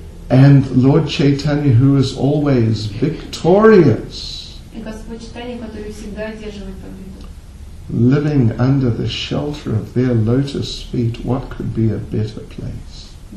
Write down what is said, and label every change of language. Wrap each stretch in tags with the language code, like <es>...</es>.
<en>And Lord Chaitanya, who is always victorious.</en> <ru>сочетание, которое всегда одерживает победу.</ru> <en>Living under the shelter of their lotus feet, what could be a better place?</en>